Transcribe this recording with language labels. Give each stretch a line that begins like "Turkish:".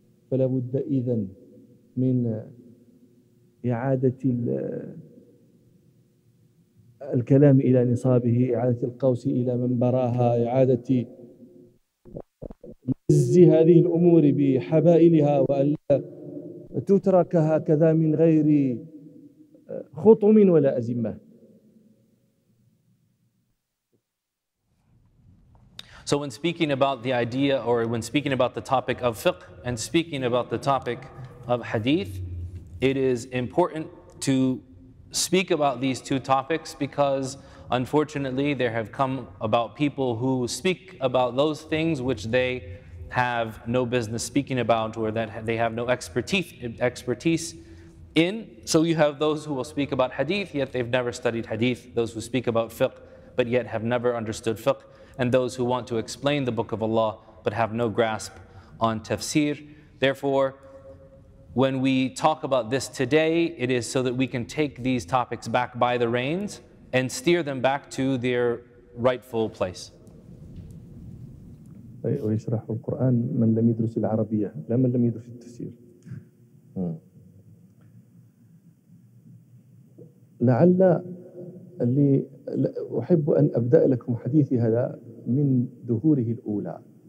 Arabic: فلا بد إذن من إعادة الكلام إلى نصابه، إعادة القوس إلى منبرها، إعادة لز هذه الأمور بحبائلها، وأن تترك هكذا من غير خطم ولا أزمة.
English: So when speaking about the idea, or when speaking about the topic of fiqh and speaking about the topic of hadith, it is important to speak about these two topics, because unfortunately there have come about people who speak about those things which they have no business speaking about, or that they have no expertise in. So you have those who will speak about hadith yet they've never studied hadith, those who speak about fiqh but yet have never understood fiqh, and those who want to explain the book of Allah but have no grasp on tafsir. Therefore, when we talk about this today, it is so that we can take these topics back by the reins and steer them back to their rightful place.
Arabic: ويشرح القرآن من لم يدرس العربية، لا من لم يدرس التفسير. لعل اللي أحب أن أبدأ لكم حديثي هذا من ظهوره الأولى.